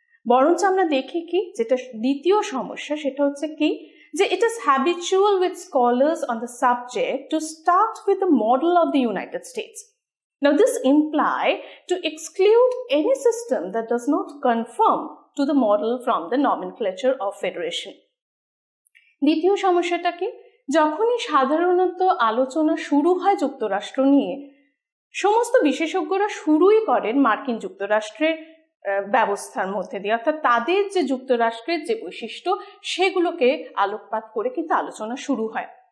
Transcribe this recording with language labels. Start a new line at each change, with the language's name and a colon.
Bangla: বরঞ্চ আমরা দেখি কি, যেটা দ্বিতীয় সমস্যা সেটা হচ্ছে কি, যে
English: It is habitual with scholars on the subject to start with the model of the United States. Now, this implies to exclude any system that does not conform to the model from the nomenclature of federation.
Bangla: দ্বিতীয় সমস্যাটা কি, যখনই সাধারণত আলোচনা শুরু হয় যুক্তরাষ্ট্র নিয়ে, সমস্ত বিশেষজ্ঞরা শুরুই করেন মার্কিন যুক্তরাষ্ট্রের ব্যবস্থার মধ্যে দিয়ে, অর্থাৎ তাদের যে যুক্তরাষ্ট্রের যে বৈশিষ্ট্য সেগুলোকে আলোকপাত করে কিন্তু আলোচনা শুরু হয়।